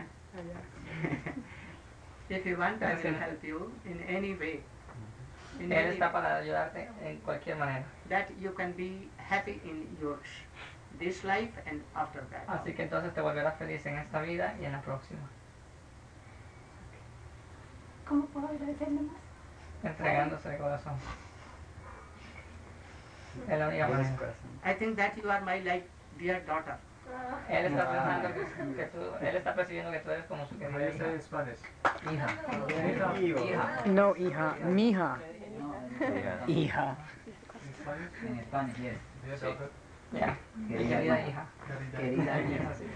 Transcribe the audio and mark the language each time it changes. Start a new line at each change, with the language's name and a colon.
English: Millions and millions of coti. If you want, I will help you in any way.
Spanish: Él está para ayudarte en cualquier manera.
English: That you can be happy in your this life and after that.
Spanish: Así que entonces te volverás feliz en esta vida y en la próxima. ¿Cómo puedo agradecerle más? Entregándose de corazón. Es la única manera.
English: I think that you are my like dear daughter.
Spanish: Él está pensando que tú, él está percibiendo que tú eres como su querida hija. Ese es Spanish. Hija. Hija. Hija. No, hija. Mija. Hija. En español,
English: yes.
Spanish: Sí. Querida hija. Querida hija.